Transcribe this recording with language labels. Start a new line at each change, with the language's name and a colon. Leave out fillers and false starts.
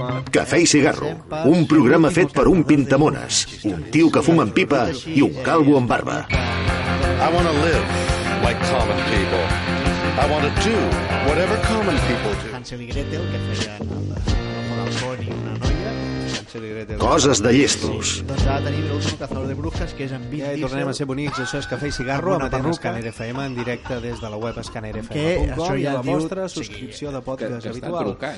Catalan: Cafè i cigarro, un programa fet per un pintamones, un tio que fuma amb pipa i un calvo amb barba.
English: I want to live like common people. I want to do whatever common people do.
Catalan: Hansel i Gretel, que feien amb un balcón i una noia. Coses de llestos. Doncs ara tenim l'últim cazador de bruixes, que és en Vin Diesel. Ja tornem a ser bonics. Això és Cafè i cigarro amb Escaner FM, en directe des de la web escanerfm.com, i la vostra subscripció de podcast habitual.